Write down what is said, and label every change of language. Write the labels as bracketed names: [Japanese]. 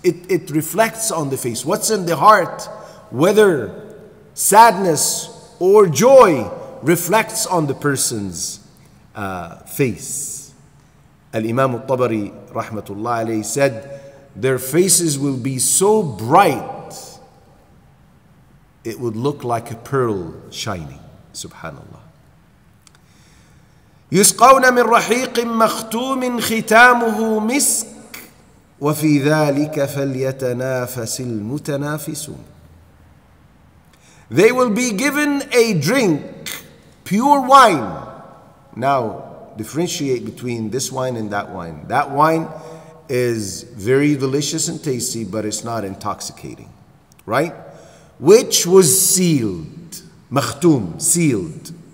[English] It reflects on the face. What's in the heart, whether sadness or joy, reflects on the person's face. Al-Imam al-Tabari rahmatullah alayhi said, their faces will be so bright, it would look like a pearl shining. Subhanallah. [Arabic] يسقون من رحيق مختوم ختامه مسك وفي ذلك فليتنافس المتنافسون. [English] They will be given a drink, pure wine. Now, differentiate between this wine and that wine. That wine is very delicious and tasty, but it's not intoxicating, right? Which was sealed, مختوم, sealed.